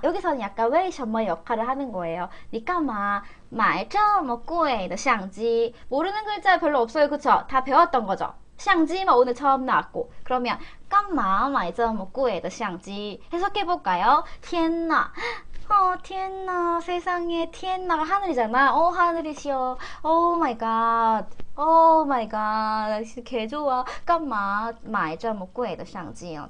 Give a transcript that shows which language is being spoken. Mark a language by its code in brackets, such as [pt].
[ko] 여기서는 약간 왜 什么 역할을 하는 거예요? [zh] 你干嘛买这么贵的相机？ [ko] 모르는 글자 별로 없어요, 그쵸? 다 배웠던 거죠? [zh] 相机嘛 [ko] 오늘 처음 나왔고. 그러면 [zh] 干嘛买这么贵的相机？ [ko] 해석해 볼까요？ [zh] 天呐，天呐， [ko] 세상에， [zh] 天呐， [ko] 하늘이잖아. 하늘이시여. [en] Oh my god. Oh my god. [ko] 개 좋아. [zh] 干嘛买这么贵的相机啊？